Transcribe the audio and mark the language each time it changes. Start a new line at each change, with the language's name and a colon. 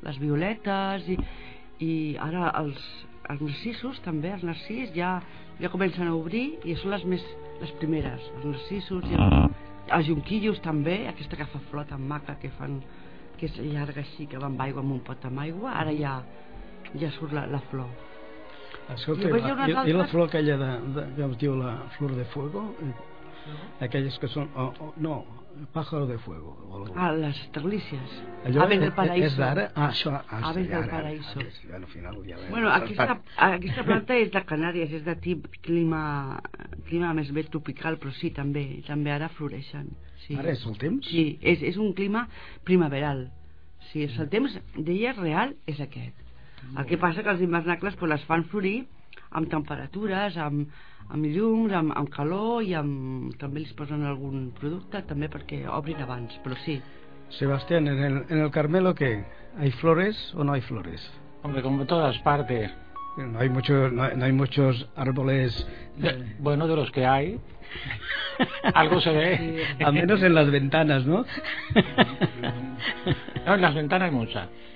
Catalan: Les violetes, i ara els narcisos també, els narcis ja comencen a obrir, i són les primeres, els narcisos i els junquillos també, aquesta que fa flor tan maca, que fan que és llarga així, que va amb aigua, amb un pot amb aigua, ara ja, ja surt la, la flor. Escolta, i la flor aquella de, que us diu la flor de fuego, aquelles que són, no, pájaro de fuego. O ah, les estrelícies. Allò Aves del paraíso. És d'ara? Ah, això, ah, Aves del paraíso. Ara, al final ja ve. Bueno, aquesta planta és de Canàries, és de tip clima més bé tropical, però sí, també ara floreixen. Sí. Ara és el temps? Sí, és un clima primaveral. Sí, és el temps, deia, real és aquest. El que passa que els hivernacles pues, les fan florir amb temperatures, amb llums, amb calor i amb... també els posen algun producte també perquè obrin abans, però sí. Sebastián, en el Carmelo què?
Spanish: ¿Hay flores o no hay flores? Hombre, como en todas partes. No hay muchos árboles... Bueno, de los que hay, algo se ve. Sí. Al menos en las ventanas, ¿no? No, en las ventanas hay muchas.